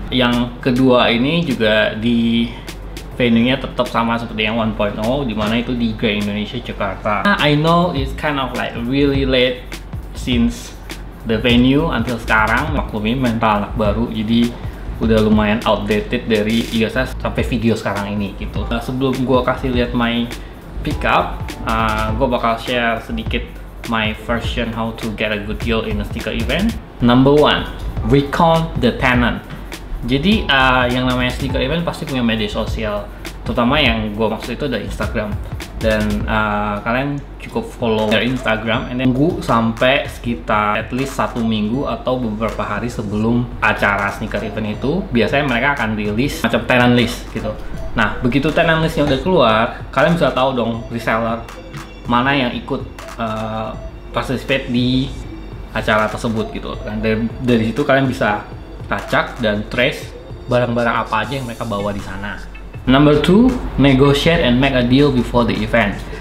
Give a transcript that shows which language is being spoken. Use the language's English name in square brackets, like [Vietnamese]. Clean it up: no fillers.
[Indonesian] Yang kedua ini juga di venue-nya tetap sama seperti yang 1.0, di mana itu di Grand Indonesia Jakarta. [English] I know it's kind of like really late since the venue until [Indonesian] sekarang. Maklumin mental anak baru, jadi udah lumayan outdated dari Uss sampai video sekarang ini gitu. Nah, sebelum gua kasih lihat [English] my pickup, [Indonesian] gua bakal share sedikit [English] my version how to get a good deal in a sneaker event. Number one, recon the tenant. [Indonesian] Jadi yang namanya sneaker event pasti punya media sosial, terutama yang gua maksud itu ada Instagram, dan kalian cukup [English] follow their Instagram, and then [Indonesian] tunggu sampai sekitar [English] at least [Indonesian] satu minggu atau beberapa hari sebelum acara sneaker event itu, biasanya mereka akan rilis macam tenant list gitu. Nah, begitu tenant listnya udah keluar, kalian bisa tahu dong reseller mana yang ikut participate di acara tersebut gitu. Dan dari situ kalian bisa acak dan trace barang-barang apa aja yang mereka bawa di sana. [English] Number two, negotiate and make a deal before the event.